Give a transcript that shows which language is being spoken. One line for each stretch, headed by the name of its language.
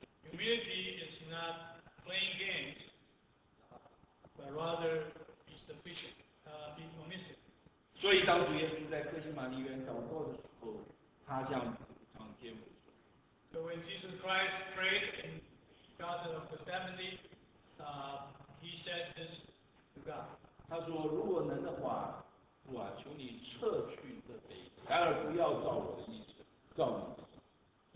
English: Humility is not playing games, but rather be sufficient, be omniscient.
Chinese: 所以当主耶稣在哥西马尼园祷告的时候，他向天父。
English: So when Jesus Christ prayed in Garden of Gethsemane, he said this to God.
Chinese: 他说：“如果能的话，主啊，求你撤去这杯，然而不要照我的意思，照你的意思。”